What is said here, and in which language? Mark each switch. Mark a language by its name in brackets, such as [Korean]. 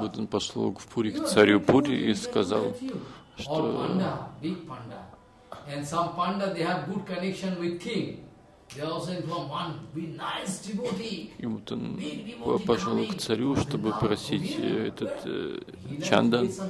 [Russian] Вот он пошел в Пури к царю Пури и сказал, что [English] all Panda, big Panda, and some Panda they have good connection with king. [Russian] И вот он пошел к царю, чтобы просить этот чандан.